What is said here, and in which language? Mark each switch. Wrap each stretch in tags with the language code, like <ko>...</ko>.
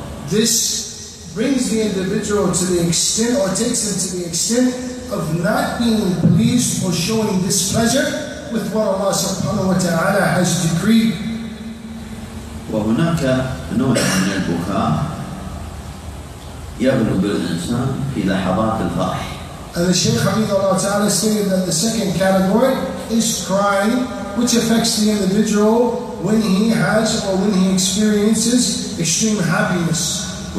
<en>This brings the individual to the extent or takes him to the extent of not being pleased or showing displeasure with what Allah subhanahu wa ta'ala has decreed.</en> <ar>وهناك نوع من البكاء يغلب الإنسان في لحظات الفرح.</ar> <en>And the Shaykh Habibullah Ta'ala stated that the second category is crying, which affects the individual when he has or when he experiences extreme happiness.</en>